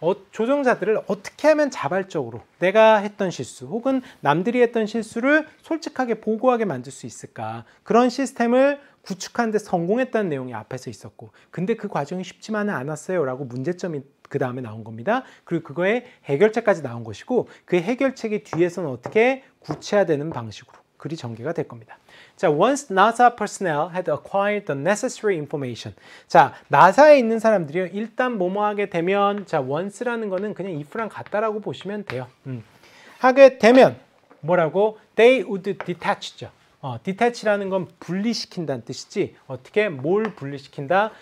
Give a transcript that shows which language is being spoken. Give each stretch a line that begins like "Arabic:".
Korean: 조종사들을 어떻게 하면 자발적으로 내가 했던 실수 혹은 남들이 했던 실수를 솔직하게 보고하게 만들 수 있을까? 그런 시스템을 구축하는데 성공했다는 내용이 앞에서 있었고, 근데 그 과정이 쉽지만은 않았어요 라고 문제점이 그 다음에 나온 겁니다. 그리고 그거에 해결책까지 나온 것이고, 그 해결책이 뒤에서는 어떻게 구체화되는 방식으로 글이 전개가 될 겁니다.
English: 자, once NASA personnel had acquired the necessary information.
Korean: 자, 나사에 있는 사람들이요. 일단 뭐뭐하게 되면, 자, once라는 거는 그냥 if랑 같다라고 보시면 돼요. 하게 되면 뭐라고?
English: They would detach
Korean: 죠. detach라는 건 분리시킨다는 뜻이지. 어떻게 뭘 분리시킨다?